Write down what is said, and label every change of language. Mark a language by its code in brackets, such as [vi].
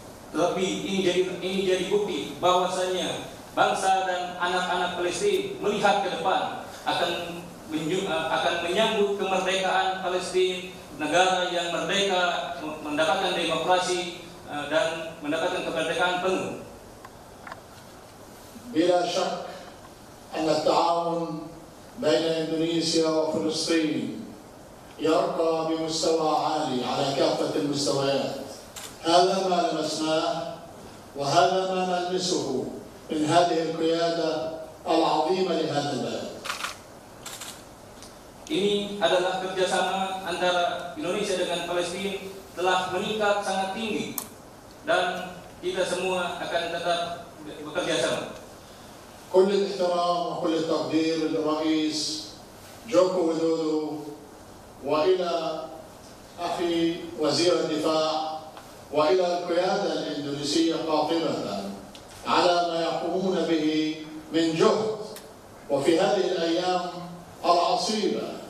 [id] Tapi ini jadi bukti bahwasanya bangsa dan anak-anak Palestina melihat ke depan akan menyambut kemerdekaan Palestina, negara yang merdeka mendapatkan demokrasi dan mendapatkan kemerdekaan penuh. [ar] Bila syak anna ta'awun baina Indonesia wa Palestina يرقى بمستوى عالي على كافة المستويات. هذا ما لمسناه وهذا ما نلمسه من هذه القيادة العظيمة لهذا البلد. [id] Ini adalah kerjasama antara Indonesia dengan Palestina telah meningkat sangat tinggi dan kita semua akan tetap bekerja sama. [ar] كل الاحترام وكل التقدير للرئيس جوكو ويدودو وإلى أخي وزير الدفاع وإلى القيادة الإندونيسية قاطبة على ما يقومون به من جهد وفي هذه الأيام العصيبة